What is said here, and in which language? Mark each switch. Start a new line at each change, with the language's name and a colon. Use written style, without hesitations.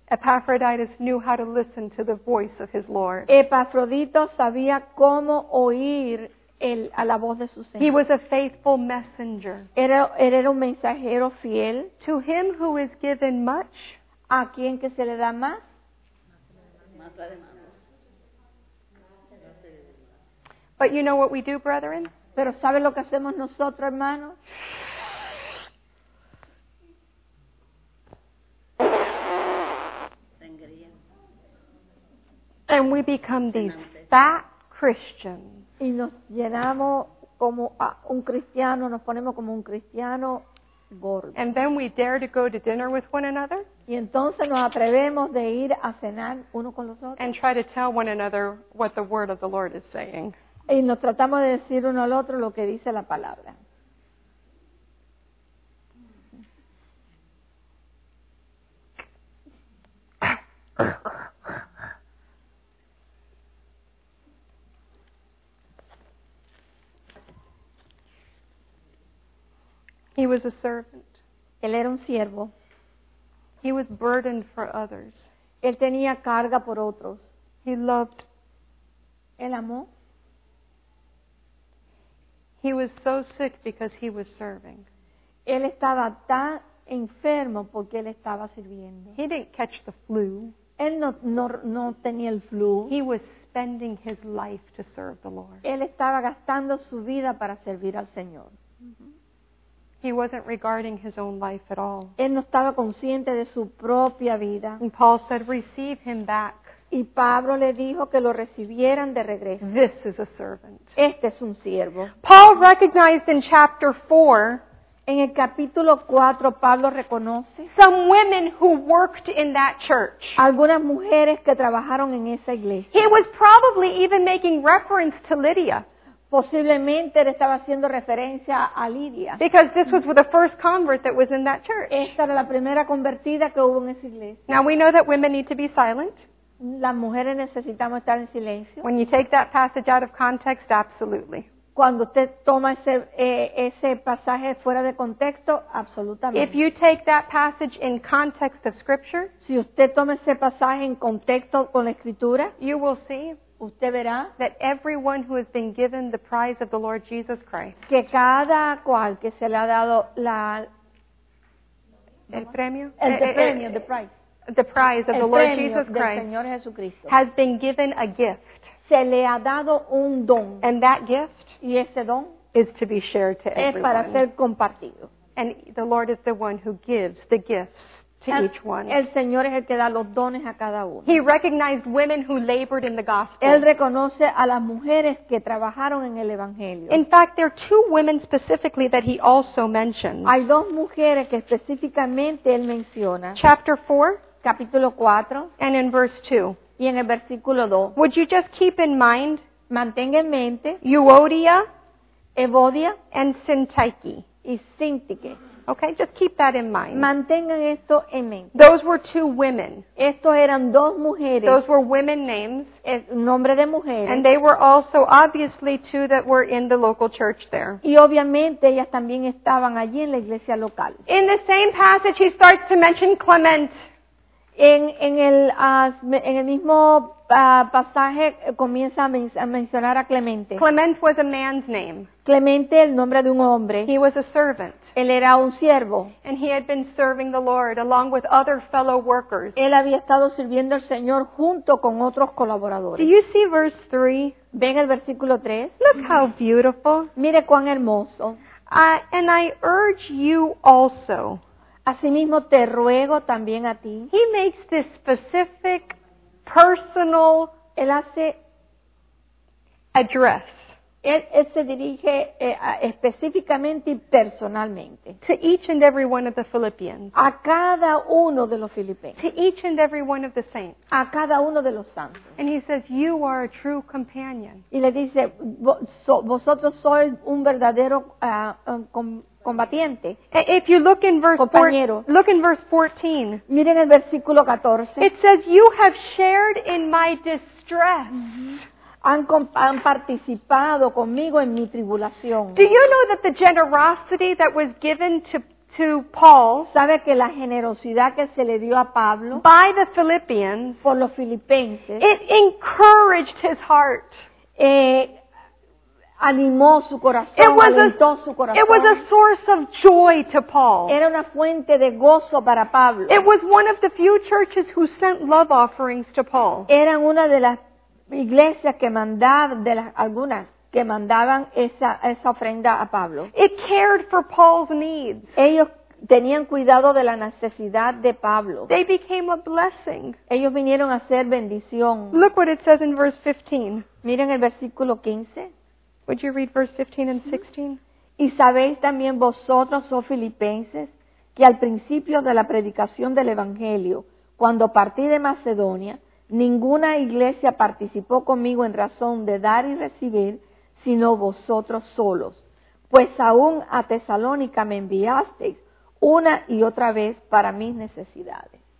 English: Epaphroditus knew how to listen to the voice of his Lord.
Spanish: Epafrodito sabía cómo oír a la voz de su Señor.
English: He was a faithful messenger.
Spanish: Era un mensajero fiel.
English: To him who is given much.
Spanish: ¿A quién que se le da más?
English: But you know what we do, brethren?
Spanish: Pero ¿sabe lo que hacemos nosotros, hermanos?
English: And we become these fat Christians.
Spanish: Y nos llenamos como un cristiano, nos ponemos como un cristiano gordo.
English: And then we dare to go to dinner with one another.
Spanish: Y entonces nos atrevemos de ir a cenar uno con los otros.
English: And try to tell one another what the word of the Lord is saying.
Spanish: Y nos tratamos de decir uno al otro lo que dice la palabra.
English: He was a servant.
Spanish: Él era un siervo.
English: He was burdened for others.
Spanish: Él tenía carga por otros.
English: He loved.
Spanish: Él amó.
English: He was so sick because he was serving.
Spanish: Él estaba tan enfermo porque él estaba sirviendo.
English: He didn't catch the flu.
Spanish: Él no tenía el flu.
English: He was spending his life to serve the Lord.
Spanish: Él estaba gastando su vida para servir al Señor.
English: He wasn't regarding his own life at all.
Spanish: Él no estaba consciente de su propia vida.
English: And Paul said, "Receive him back."
Spanish: Y Pablo le dijo que lo recibieran de regreso.
English: This is a servant.
Spanish: Este es un siervo.
English: Paul recognized in chapter 4,
Spanish: En el capítulo 4, Pablo reconoce
English: some women who worked in that church.
Spanish: Algunas mujeres que trabajaron en esa iglesia.
English: He was probably even making reference to Lydia.
Spanish: Posiblemente él estaba haciendo referencia a Lydia.
English: Because this was the first convert that was in that church.
Spanish: Esta era la primera convertida que hubo en esa iglesia.
English: Now we know that women need to be silent.
Spanish: Las mujeres necesitamos estar en silencio.
English: When you take that passage out of context, absolutely.
Spanish: Cuando usted toma ese, ese pasaje fuera de contexto, absolutamente.
English: If you take that passage in context of scripture,
Spanish: si usted toma ese pasaje en contexto con la escritura,
English: you will see
Spanish: usted verá
English: that everyone who has been given the prize of the Lord Jesus Christ,
Spanish: que cada cual que se le ha dado la el premio, el premio,
English: the prize. The prize of the Lord Jesus Christ
Spanish: Señor Jesucristo
English: has been given a gift.
Spanish: Se le ha dado un don.
English: And that gift
Spanish: y ese don
English: is to be shared to
Spanish: es
English: everyone.
Spanish: Para ser compartido.
English: And the Lord is the one who gives the gifts to each one.
Spanish: El Señor es el que da los dones a cada uno.
English: He recognized women who labored in the gospel.
Spanish: Él reconoce a las mujeres que trabajaron en el evangelio.
English: In fact, there are two women specifically that he also mentions.
Spanish: Hay dos mujeres que específicamente él menciona.
English: Chapter 4.
Spanish: Capítulo 4
English: and in verse 2.
Spanish: Y en el versículo 2.
English: Would you just keep in mind,
Spanish: mantenga en mente,
English: Euodia,
Spanish: Evodia,
English: and Syntyche.
Spanish: Y Syntyche.
English: Okay, just keep that in mind.
Spanish: Mantengan esto en mente.
English: Those were two women.
Spanish: Estos eran dos mujeres.
English: Those were women names.
Spanish: Es nombre de mujeres.
English: And they were also obviously two that were in the local church there.
Spanish: Y obviamente ellas también estaban allí en la iglesia local.
English: In the same passage he starts to mention Clement.
Spanish: En el mismo pasaje comienza a mencionar a Clemente.
English: Clement was a man's name.
Spanish: Clemente, el nombre de un hombre.
English: He was a servant.
Spanish: Él era un siervo.
English: And he had been serving the Lord along with other fellow workers.
Spanish: Él había estado sirviendo al Señor junto con otros colaboradores.
English: Do you see verse 3?
Spanish: ¿Ven el versículo 3?
English: Look how beautiful.
Spanish: Mire cuán hermoso.
English: And I urge you also.
Spanish: Asimismo, te ruego también a ti.
English: He makes this specific, personal,
Spanish: él hace
English: address.
Spanish: Él se dirige específicamente y personalmente.
English: To each and every one of the Philippians.
Spanish: A cada uno de los filipenses.
English: To each and every one of the saints.
Spanish: A cada uno de los santos.
English: And he says, you are a true companion.
Spanish: Y le dice, vosotros sois un verdadero combatiente.
English: If you look in verse 14, look in verse 14.
Spanish: Miren el versículo 14.
English: It says, you have shared in my distress.
Spanish: Han participado conmigo en mi tribulación.
English: Do you know that the generosity that was given to Paul,
Spanish: sabe que la generosidad que se le dio a Pablo,
English: by the Philippians,
Spanish: por los filipenses,
English: it encouraged his heart.
Spanish: Animó su corazón, alentó su corazón.
English: It was a source of joy to Paul.
Spanish: Era una fuente de gozo para Pablo.
English: It was one of the few churches who sent love offerings to Paul.
Spanish: Eran una de las iglesias que mandaban, de las algunas que mandaban esa ofrenda a Pablo.
English: It cared for Paul's needs.
Spanish: Ellos tenían cuidado de la necesidad de Pablo.
English: They became a blessing.
Spanish: Ellos vinieron a ser bendición.
English: Look what it says in verse 15.
Spanish: Miren el versículo 15.
English: Would you read verse 15 and 16?
Spanish: Y sabéis también vosotros, oh filipenses, que al principio de la predicación del Evangelio, cuando partí de Macedonia, ninguna iglesia participó conmigo en razón de dar y recibir, sino vosotros solos. Pues aún a Tesalónica me enviasteis una y otra vez para mis necesidades.